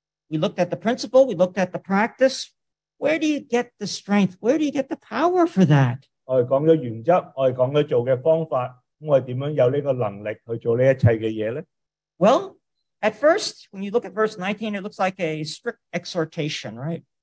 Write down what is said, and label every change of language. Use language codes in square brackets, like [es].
[en] We looked at the principle, we looked at the practice. Where do you get the strength? Where do you get the power for that? [zh] 我们讲了原则，我们讲了做的方法。 [en] Well, at first, when you look at verse 19, it looks like a strict exhortation, right?